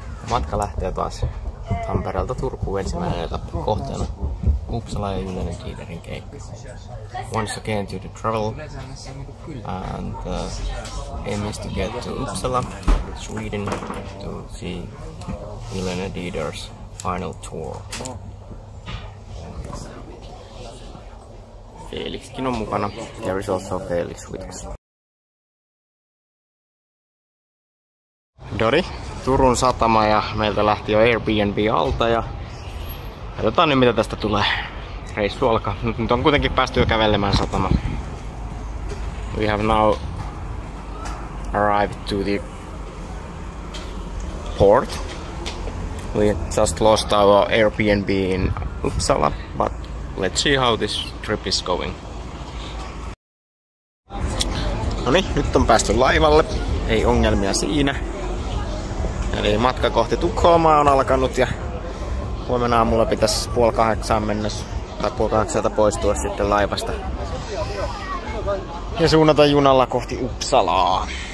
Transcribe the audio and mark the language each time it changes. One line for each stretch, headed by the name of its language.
Finnish: Matka lähtee taas Tampereelta Turkuun ensimmäinen etappi kohteena. Uppsala ja Junnanen Kiiderin keikka.
English: Once again to the travel. And aim is to get to Uppsala, Sweden, to see Helena Dieder's final tour.
Finnish: Felixkin on mukana.
English: There is also Felix with us.
Finnish: Dori, Turun satama ja meiltä lähti jo Airbnb alta ja katsotaan nyt mitä tästä tulee. Reissu alkaa. Nyt on kuitenkin päästy jo kävelemään satama.
English: We have now arrived to the port. We just lost our Airbnb in Uppsala, but let's see how this trip is going.
Finnish: Noniin, nyt on päästy laivalle. Ei ongelmia siinä. Eli matka kohti Tukholmaa on alkanut ja huomenna aamulla pitäisi 7:30 mennä tai 7:30 poistua sitten laivasta ja suunnata junalla kohti Uppsalaa.